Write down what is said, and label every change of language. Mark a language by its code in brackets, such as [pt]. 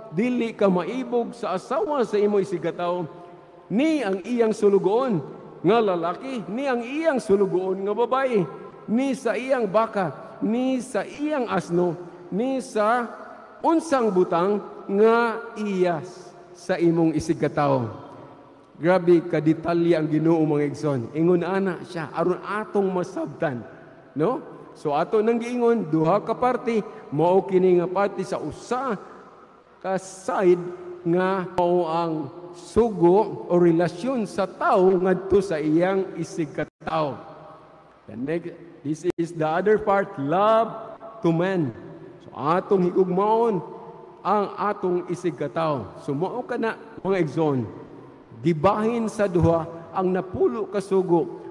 [ceb] Dili ka maibog sa asawa sa imo isig kataw, ni ang iyang sulugoon nga lalaki, ni ang iyang sulugoon nga babae, ni sa iyang baka, ni sa iyang asno, ni sa unsang butang nga iyas sa imong isig kataw. Grabe ka detalye ang Ginoo mga igsoon. Ingon ana siya aron atong masabtan, no? So ato nang giingon duha ka parte, mao kini nga parte sa usa aside nga mao ang sugo o relasyon sa tao ngadto sa iyang isig kataw. [en] This is the other part, love to man. [ceb] So atong higugmaon ang atong isig kataw. So mao ka na mga igsoon, gibahin sa duha ang napulo ka sugo.